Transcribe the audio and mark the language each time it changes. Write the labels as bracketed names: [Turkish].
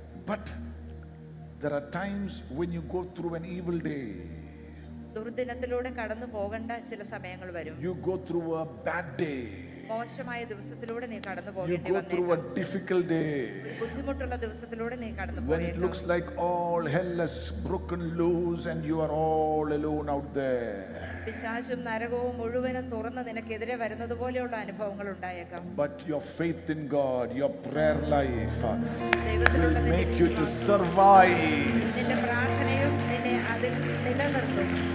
[English] But there are times when you go through an evil day. [Malayalam] ദുർദിനത്തിലൂടെ കടന്നു പോകേണ്ട ചില സമയങ്ങൾ വരും. [English] You go through a bad day. [Malayalam] മോശമായ ദിവസത്തിലൂടെ നീ കടന്നു പോകേണ്ടി വന്നേക്കാം. [English] You go through a difficult day. [Malayalam] ബുദ്ധിമുട്ടുള്ള ദിവസത്തിലൂടെ നീ കടന്നു പോകേണ്ടി വന്നേക്കാം. [English] When it looks like all hell has broken loose and you are all alone out there. പിശാചും നരകവും മുഴുവനും തുറന്ന് നിനക്കെതിരെ വരുന്നതുപോലെയുള്ള അനുഭവങ്ങൾ ഉണ്ടായേക്കാം. But your faith in God, your prayer life will make you to survive. [Malayalam] നിന്റെ പ്രാർത്ഥനയും നിന്നെ അതിൽ നിലനിർത്തും.